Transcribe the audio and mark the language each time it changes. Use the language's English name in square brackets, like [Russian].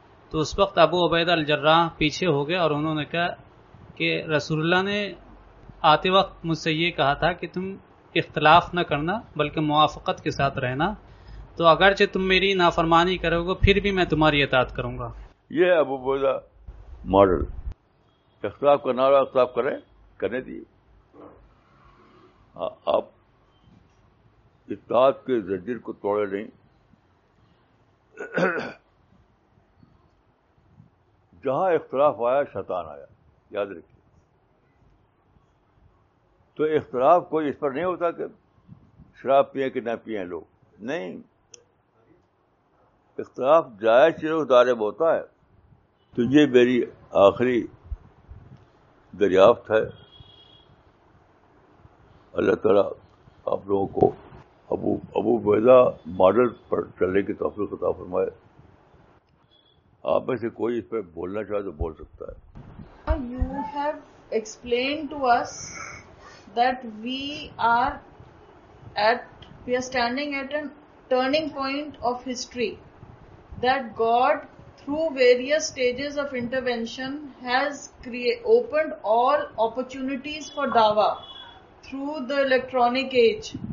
[Urdu] تو اس وقت ابو عبیدہ الجراح پیچھے ہو گئے اور انہوں نے کہا کہ رسول اللہ نے آتے وقت مجھ سے یہ کہا تھا کہ تم اختلاف نہ کرنا بلکہ موافقت کے ساتھ رہنا, تو اگرچہ تم میری نافرمانی کرو گے پھر بھی میں تمہاری اطاعت کروں گا. یہ ہے ابو عبیدہ ماڈل. اختلاف کرنا ہو اختلاف کریں, کرنے دیے. آپ اطاعت کے زنجیر کو توڑے نہیں. جہاں اختلاف آیا شیطان آیا, یاد رکھیے. تو اختلاف کوئی اس پر نہیں ہوتا کہ شراب پیئیں کہ نہ پیئیں لوگ, نہیں. اختلاف جائز چیزوں دارے میں ہوتا ہے. تو یہ میری آخری دریافت ہے. اللہ تعالیٰ آپ لوگوں کو ابو عبیدہ ماڈل پر چلنے کی توفیق عطا فرمائے. آپ میں سے کوئی اس پر بولنا چاہے تو بول سکتا ہے. [English] You have explained to us that we are standing at a turning point of history, that God through various stages of intervention has opened all opportunities for dawa through the electronic age,